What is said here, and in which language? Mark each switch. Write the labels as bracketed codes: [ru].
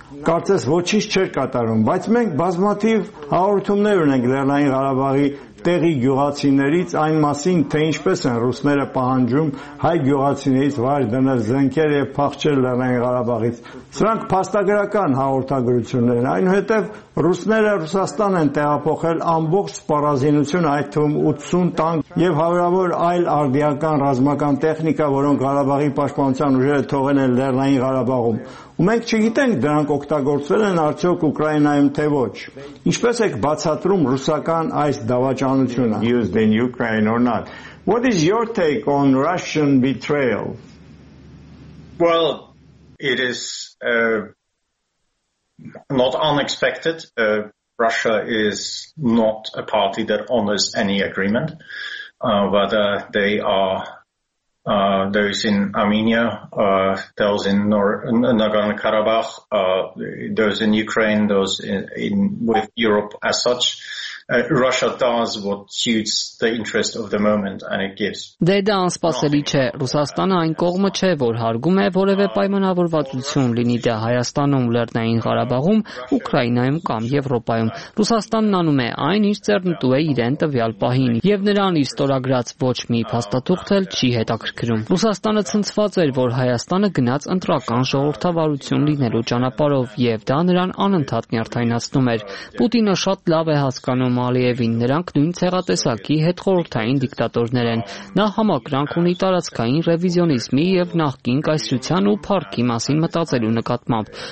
[hy] կարծես ոչինչ չեր կատարում, բայց մենք բազմաթիվ հաղորդումներ ունենք Լեռնային Ղարաբաղի տեղի գյուղացիներից այն մասին, թե ինչպես են ռուսները պահանջում հայ գյուղացիներից վայր դնել զենքեր եւ փախչել Լեռնային Ղարաբաղից։ Սրանք փաստագրական հաղորդագրություններ են, այնուհետեւ ռուսները Ռուսաստան են տեղափոխել ամբողջ սպառազինություն, այդ թվում 80 տանկ եւ հարյուրավոր այլ արդիական ռազմական տեխնիկա, որոնք Ղարաբաղի պաշտպանության ուժերը թողել են Լեռնային Ղարաբաղում։ ու մենք չգիտենք դրանք օգտագործվել են արդյոք Ուկրաինայում թե ոչ։ Ինչպես եք բացատրում ռուսական այս դավաճանությունը? [en] Used in Ukraine or not? What is your take on Russian betrayal? Well, it is not unexpected. Russia is not a party that honors any agreement, whether they are those in Armenia, those in Nagorno-Karabakh, those in Ukraine, those in with Europe as such. Russia does what suits the interest of the moment and it gives. [hy] Դա անսպասելի չէ։ Ռուսաստանը այն կողմը չէ, որ հարգում է որևէ պայմանավորվածություն, լինի դա Հայաստանում, Լեռնային Ղարաբաղում, Ուկրաինայում կամ Եվրոպայում։ Ռուսաստանն անում է այն, ինչ ծերնտու է իրեն տվյալ պահին, եւ նրան իր ստորագրած ոչ մի փաստաթուղթը չի հետաքրքրում։ Ռուսաստանը ցնցված էր, որ Հայաստանը գնաց ընտրական ժողովրդավարություն լինելու ճանապարով, եւ դա նրան անընդհատ նյարդայնացնում էր։ Պուտինը շատ լավ է հասկանում Ալիևին, նրանք նույն ցեղատեսակի հետխորհրդային դիկտատորներ են։ Նա համակրանք ունի տարածքային ռևիզիոնիզմի եւ նախկին կայսրության ու փառքի մասին մտածելու նկատմամբ։